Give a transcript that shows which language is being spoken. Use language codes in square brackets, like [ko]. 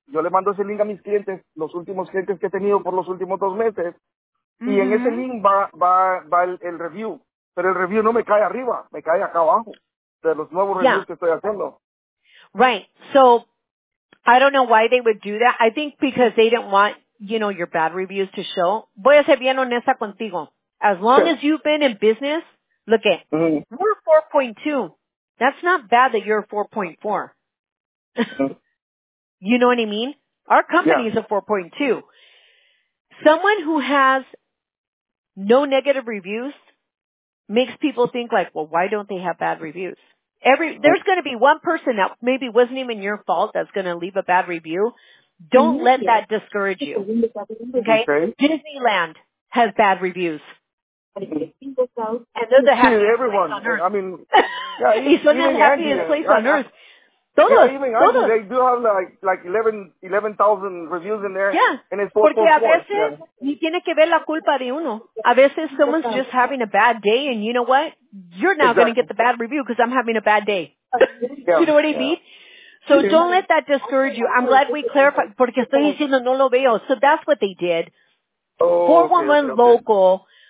[es] Yo le mando ese link a mis clientes, los últimos clientes que he tenido por los últimos 2 meses. Mm-hmm. Y en ese link va el review. Pero el review no me cae arriba, me cae acá abajo. De los nuevos reviews que estoy haciendo. [en] Right. So, I don't know why they would do that. I think because they didn't want, you know, your bad reviews to show. [es] Voy a ser bien honesta contigo. [en] As long as you've been in business, look at, we're 4.2. That's not bad that you're 4.4. You know what I mean? Our company is a 4.2. Someone who has no negative reviews makes people think like, well, why don't they have bad reviews? There's going to be one person that maybe wasn't even your fault that's going to leave a bad review. Don't let that discourage you. Okay? Disneyland has bad reviews. And they're the happiest place on earth. I mean, yeah, he's the happiest place on earth. Todos, yeah, even [es] todos. [en] They do have like 11,000 reviews in there. Yeah. And it's 4.4. [es] Porque a veces ni tiene que ver la culpa de uno. [en] A veces someone's just having a bad day, and you know what? You're now going to get the bad review because I'm having a bad day. Yeah. You know what I yeah. mean? So yeah. don't let that discourage you. I'm glad we clarified. [es] Porque estoy diciendo no lo veo. [en] So that's what they did. Oh, 411 okay. local.